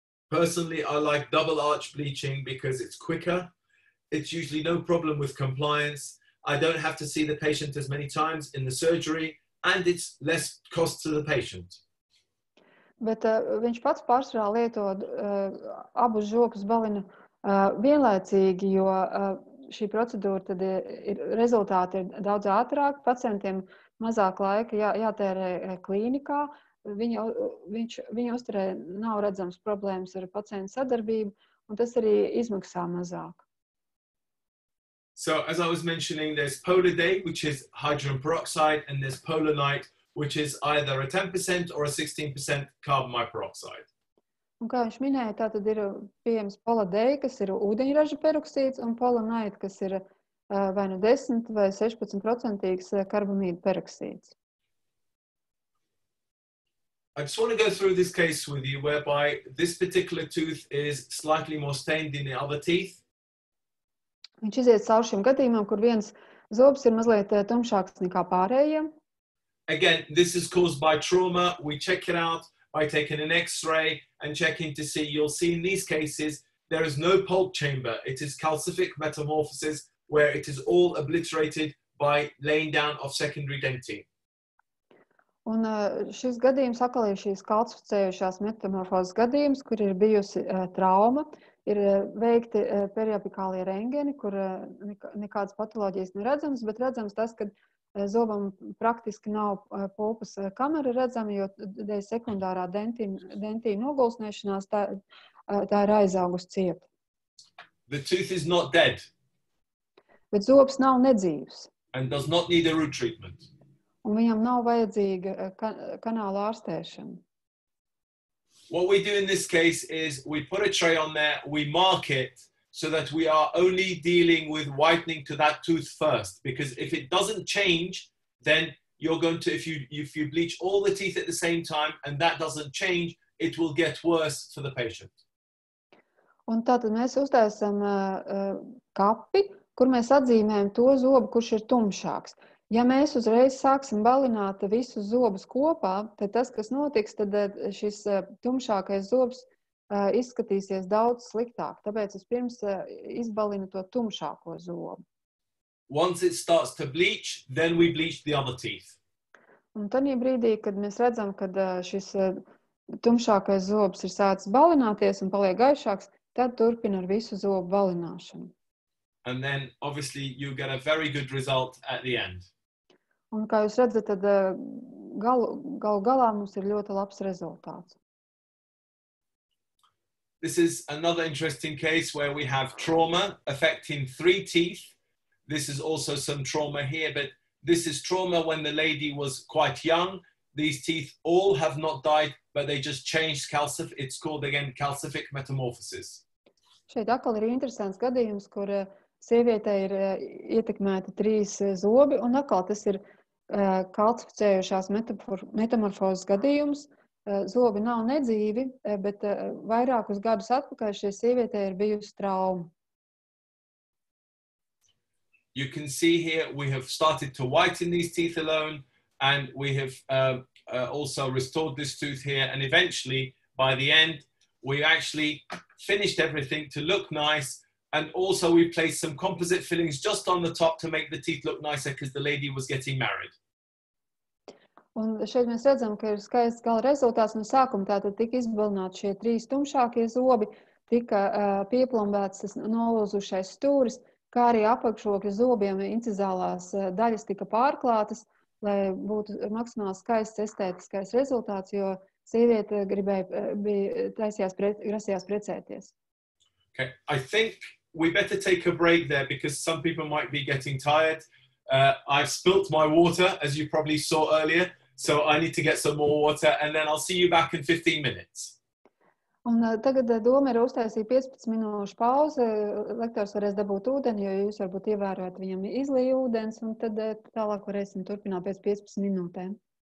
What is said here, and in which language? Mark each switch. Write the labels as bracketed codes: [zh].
[en] Personally, I like double arch bleaching because it's quicker. It's usually no problem with compliance. I don't have to see the patient as many times in the surgery, and it's less cost to the patient. [lv] Bet viņš pats pārsvarā lieto abus žokus balinu vienlaicīgi, jo šī procedūra tad ir rezultāti ir daudz ātrāk, pacientiem mazāk laika jātērē klīnikā, viņa uzturē nav redzams problēmas ar pacientu sadarbību, un tas arī izmaksā mazāk. [en] So, as I was mentioning, there's polidate, which is hydrogen peroxide, and there's polonite, which is either a 10% or a 16% carbon microoxide. [lv] Un kā viņš minēja, tā tad ir piemēram polidate, kas ir ūdeņraža peroksīds, un polonite, kas ir vai nu 10 vai 16% karbamīda peroksīds. [en] I just want to go through this case with you, whereby this particular tooth is slightly more stained than the other teeth. [lv] Viņš iziet savu šiem gadījumam, kur viens zobs ir mazliet tumšāks nekā pārējiem. [en] Again, this is caused by trauma. We check it out by taking an x-ray and checking to see. You'll see in these cases, there is no pulp chamber. It is calcific metamorphosis where it is all obliterated by laying down of secondary dentine. [lv] Un šis gadījums atkal ir šīs kalcificējušās metamorfozes gadījums, kur ir bijusi trauma, ir veikti periapikālie rengeni, kur nekādas patoloģijas neredzams, bet redzams tas, ka zobam praktiski nav pulpas kamera redzama, jo dēļ sekundārā dentīna nogulsnēšanās tā ir aizaugusi ciet. [en] The tooth is not dead. [lv] Bet zobs nav nedzīvs. [en] And does not need a root treatment. [lv] Un viņam nav vajadzīga kanāla ārstēšana. [en] What we do in this case is we put a tray on there, we mark it so that we are only dealing with whitening to that tooth first. Because if it doesn't change, then you're going to, if you bleach all the teeth at the same time and that doesn't change, it will get worse for the patient. [lv] Un tātad mēs uztaisam kapi, kur mēs atzīmējam to zobu, kurš ir tumšāks. Ja mēs uzreiz sāksim balināt visus zobus kopā, tad tas, kas notiks, tad šis tumšākais zobs izskatīsies daudz sliktāk. Tāpēc es pirms izbalinu to tumšāko zobu. [en] Once it starts to bleach, then we bleach the other teeth. [lv] Un tajā brīdī, kad mēs redzam, kad šis tumšākais zobs ir sācis balināties un paliek gaišāks, tad turpina ar visu zobu balināšanu. [en] And then, obviously, you get a very good result at the end. [lv] Un kā jūs redzat, tad galā mums ir ļoti labs rezultāts. [en] This is another interesting case where we have trauma affecting three teeth. This is also some trauma here, but this is trauma when the lady was quite young. These teeth all have not died, but they just changed calcific. It's called, again, calcific metamorphosis. [lv] Šeit atkal ir interesants gadījums, kur sievietē ir ietekmēta trīs zobi, un atkal tas ir kalcificējušās metamorfozes gadījums. Zobi nav nedzīvi, bet vairākus gadus atpakaļ šie sievietē ir bijusi trauma. [en] You can see here, we have started to whiten these teeth alone, and we have also restored this tooth here, and eventually, by the end, we actually finished everything to look nice, and also we placed some composite fillings just on the top to make the teeth look nicer because the lady was getting married. [lv] Un šeit mēs redzam, ka ir skaists gala rezultāts no sākuma, tātad tika izbalināti šie trīs tumšākie zobi, tika pieplombēts tas nolūzušais stūris, kā arī apakšokļa zobiem incizālās daļas tika pārklātas, lai būtu maksimāli skaists estētiskais rezultāts, jo sieviete grasījās precēties. [en] Okay, I think we better take a break there because some people might be getting tired. I've spilt my water, as you probably saw earlier, so I need to get some more water and then I'll see you back in 15 minutes. [lv] Un tagad doma ir uztaisīt 15 minūšu pauze. Lektors varēs dabūt ūdeni, jo jūs varbūt ievērojat, viņam izlīja ūdens, un tad tālāk varēsim turpināt pēc 15 minūtēm.